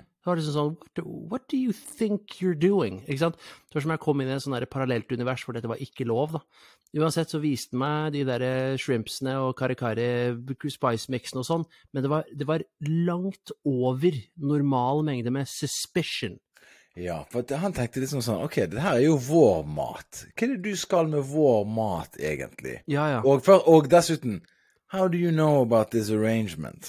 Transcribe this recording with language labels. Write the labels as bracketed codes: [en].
[no] Det var liksom sånn, [en] what do you think you're doing? [no] Ikke sant? Det var som jeg kom inn i en sånn der parallelt univers, for dette var ikke lov da. Uansett så viste meg de der shrimpsene og kari-kari spice mixen og sånn, men det var langt over normal mengde med suspicion. Ja, for han tenkte liksom sånn, ok, det her er jo vår mat. Hva er det du skal med vår mat egentlig? Ja, ja. Og dessuten, [en] how do you know about this arrangement?